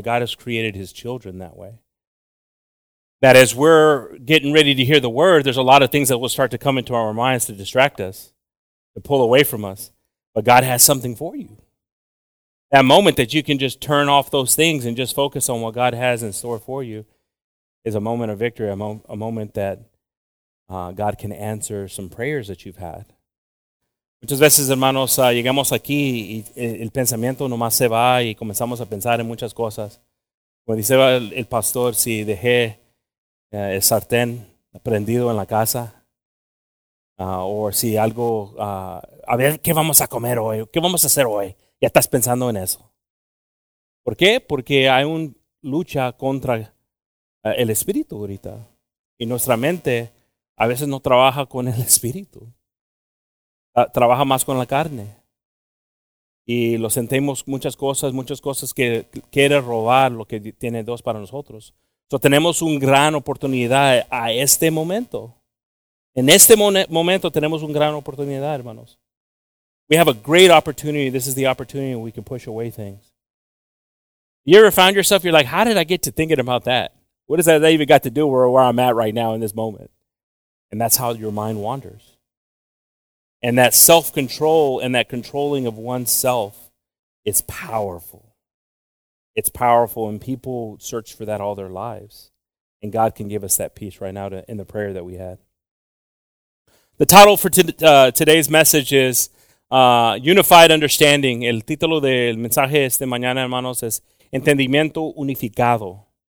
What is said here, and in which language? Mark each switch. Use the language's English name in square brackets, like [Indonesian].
[English] God has created his children that way. That as we're getting ready to hear the word, there's a lot of things that will start to come into our minds to distract us, to pull away from us. But God has something for you. That moment that you can just turn off those things and just focus on what God has in store for you is a moment of victory, a moment that God can answer some prayers that you've had. [Spanish] Muchas veces, hermanos, llegamos aquí y el pensamiento nomás se va y comenzamos a pensar en muchas cosas. Como dice el pastor, si dejé el sartén prendido en la casa, o si algo, a ver, ¿qué vamos a comer hoy? ¿Qué vamos a hacer hoy? Ya estás pensando en eso. ¿Por qué? Porque hay una lucha contra el espíritu ahorita. Y nuestra mente a veces no trabaja con el espíritu. Trabaja más con la carne. Y lo sentimos muchas cosas que quiere robar lo que tiene Dios para nosotros. So tenemos una gran oportunidad a este momento. En este momento tenemos una gran oportunidad, hermanos. [English] We have a great opportunity. This is the opportunity we can push away things. You ever found yourself, you're like, how did I get to thinking about that? What does that even got to do with where I'm at right now in this moment? And that's how your mind wanders. And that self-control and that controlling of oneself is powerful. It's powerful, and people search for that all their lives. And God can give us that peace right now in the prayer that we had. The title for today's message is Unified Understanding. [Spanish] El título del mensaje este mañana, hermanos, es Entendimiento Unificado.